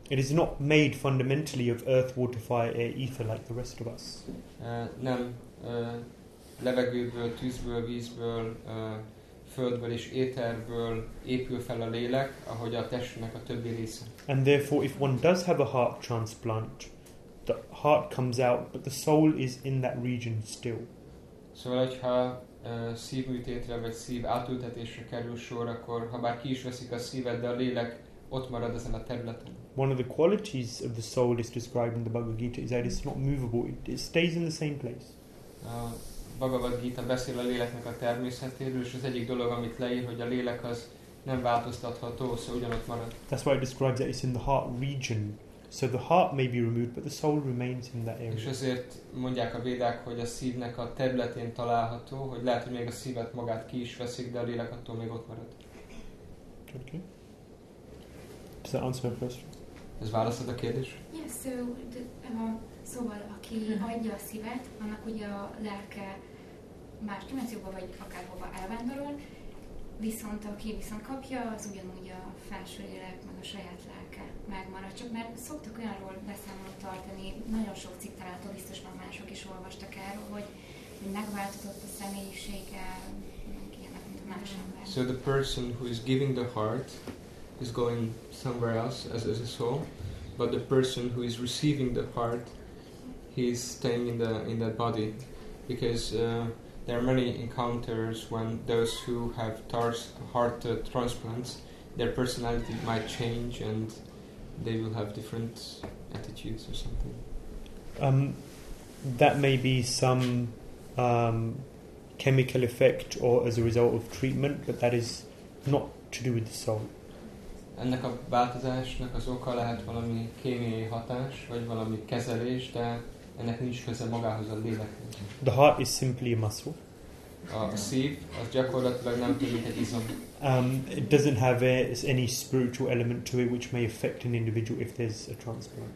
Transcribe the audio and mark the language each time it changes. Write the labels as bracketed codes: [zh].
[en] It is not made fundamentally of earth, water, fire, air, ether like the rest of us. [hu] Nem levegőből, tűzből, vízből, földből és éterből épül fel a lélek, ahogy a testnek a többi része. [en] And therefore, if one does have a heart transplant, the heart comes out, but the soul is in that region still. [hu] Szóval, hogyha szívműtétre vagy szív átültetésre kerül sor, akkor ha bár ki is veszik a szíved, de a lélek ott marad ezen a területen. [en] One of the qualities of the soul is described in the Bhagavad Gita is that it's not movable, it stays in the same place. [hu] A Bhagavad Gita beszél a léleknek a természetéről, és az egyik dolog, amit leír, hogy a lélek az nem változtatható, szóval ugyanott marad. [en] That's why it describes that it's in the heart region. So the heart may be removed, but the soul remains in that area. [hu] És ezért mondják a védák, hogy a szívnek a területén található, hogy lehet, hogy még a szívet magát ki is veszik, de a lélek attól még ott marad. [en] Okay. Does that answer your question? [hu] Ez válaszod a kérdés? Yes, so, szóval, aki adja a szívet, annak ugye a lelke más dimenzióba, vagy akárhova elvándorol, viszont aki viszont kapja, az ugyanúgy a felső lélek, meg a saját lelke megmarad. Csak mert szoktak olyanról beszámolót tartani, nagyon sok cikk található, biztos már mások is olvastak erről, hogy megváltozott a személyisége, meg ilyenek, mint a más ember. [en] So the person who is giving the heart is going somewhere else as a soul, but the person who is receiving the heart, he is staying in that body, because there are many encounters when those who have heart transplants, their personality might change and they will have different attitudes or something. That may be some chemical effect or as a result of treatment, but that is not to do with the soul. [hu] Ennek a változásnak az oka lehet valami kémiai hatás, vagy valami kezelés, de ennek nincs köze magához a léleknek. [en] The heart is simply a muscle. [hu] A szív, az gyakorlatilag nem tudom, mint egy izom. [en] It doesn't have any spiritual element to it, which may affect an individual if there's a transplant.